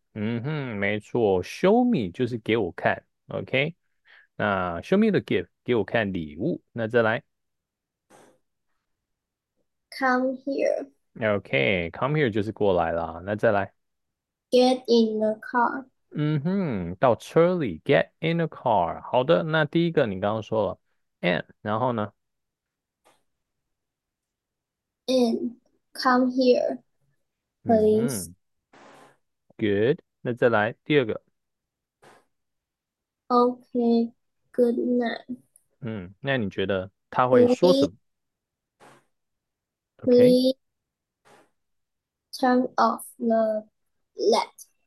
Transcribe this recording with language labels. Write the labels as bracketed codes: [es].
[zh] 嗯哼，没错， [en] show me [zh] 就是给我看。 [en] OK，那 show me the gift， [zh] 给我看礼物。那再来。 [en] Come here. [zh] OK， [en] come here [zh] 就是过来啦。那再来。 [en] Get in the car. [zh] 嗯哼，到车里， [en] get in a car。 [zh] 好的，那第一个你刚刚说了，and，然后呢？ [en] In, come here, 嗯哼 please. [zh] ，good。 那再来第二个。 [en] Okay, good night. [zh] 嗯，那你觉得他会说什么？OK。 [en] Please turn off the light.